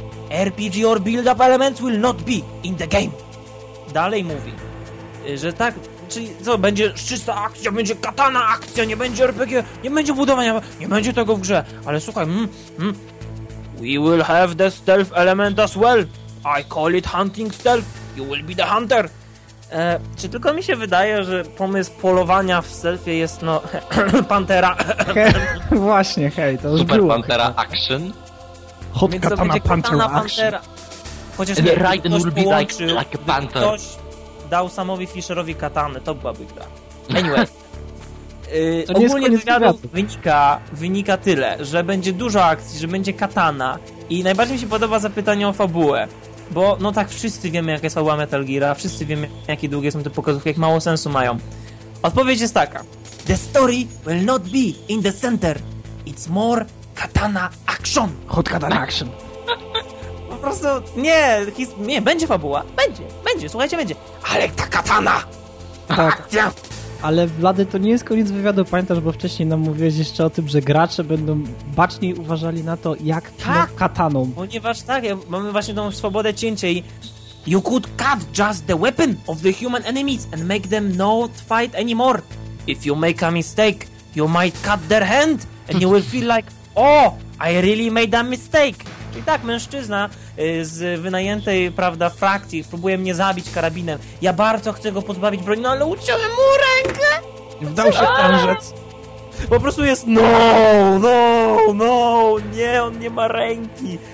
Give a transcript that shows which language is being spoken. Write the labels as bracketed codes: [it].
[en] RPG or build up elements will not be in the game. [pl] Dalej mówi, że tak, czyli co, będzie czysta akcja, będzie katana akcja, nie będzie RPG, nie będzie budowania, nie będzie tego w grze. Ale słuchaj, [en] we will have the stealth element as well. I call it hunting stealth, you will be the hunter. [pl] Czy tylko mi się wydaje, że pomysł polowania w stealthie jest no... pantera. Właśnie, hej, to już super było. [en] Pantera action. [pl] Hot więc katana, będzie katana pantera. Chociaż nie, Raiden ktoś will połączył, [en] be like panther. [pl] Ktoś dał Samowi Fisherowi katanę, to byłaby gra. Anyway. ogólnie z wywiadu wynika tyle, że będzie dużo akcji, że będzie katana i najbardziej mi się podoba zapytanie o fabułę. Bo no tak, wszyscy wiemy, jaka jest fabuła Metal Gear, a wszyscy wiemy, jakie długie są te pokazówki, jak mało sensu mają. Odpowiedź jest taka. [en] The story will not be in the center. It's more katana action. Hot katana action. [pl] Po prostu nie, będzie fabuła. Będzie, słuchajcie, będzie. Ale ta katana! Tak. Akcja! Ale Wlady, to nie jest koniec wywiadu, pamiętasz, bo wcześniej nam mówiłeś jeszcze o tym, że gracze będą baczniej uważali na to, jak tak, kataną. Ponieważ tak, mamy właśnie tą swobodę cięcia i... [en] You could cut just the weapon of the human enemies and make them not fight anymore. If you make a mistake, you might cut their hand and you will feel like, oh, I really made a mistake. [pl] I tak, mężczyzna z wynajętej, prawda, frakcji próbuje mnie zabić karabinem. Ja bardzo chcę go pozbawić broni, no ale uciąłem mu rękę! Wdał się tam rzec. Po prostu jest no, no, no, nie, on nie ma ręki.